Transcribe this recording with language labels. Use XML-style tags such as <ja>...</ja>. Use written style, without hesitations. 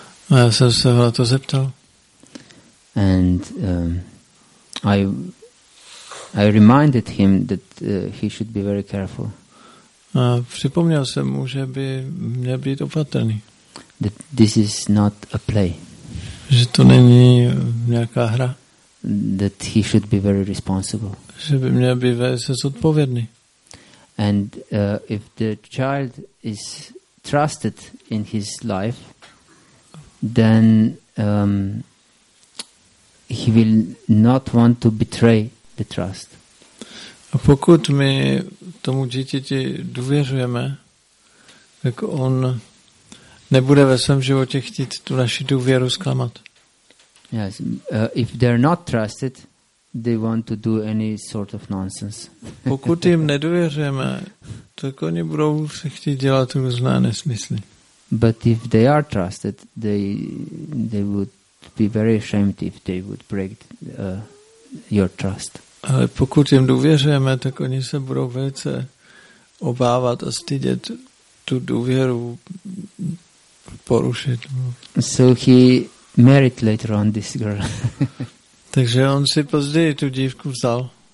<cs>A já jsem se ho na to zeptal.</cs> <en>And I reminded him that he should be very careful.</en> <cs>A připomněl jsem mu, že by měl být opatrný.</cs> <en>That this is not a play.</en> <cs>že to není nějaká hra.</cs> <en>That he should be very responsible.</en> <cs>Že by měl být velice zodpovědný.</cs> <en>And if the child is trusted in his life, then he will not want to betray the trust.</en> <cs>A pokud my tomu dítěti důvěřujeme, tak on nebude ve svém životě chtít tu naši důvěru zklamat.</cs> <en>Yes, if they're not trusted, they want to do any sort of nonsense.</en> <cs>Pokud jim nedůvěřujeme, tak oni budou se chtít dělat různé nesmysly.</cs> <en>But if they are trusted, they would be very ashamed if they would break your trust.</en> <cs>Ale pokud jim důvěřujeme, tak oni se budou velice obávat a stydět tu důvěru porušit.</cs> <en>So he married later on this girl.</en> <cs>Takže on si později tu dívku vzal.</cs>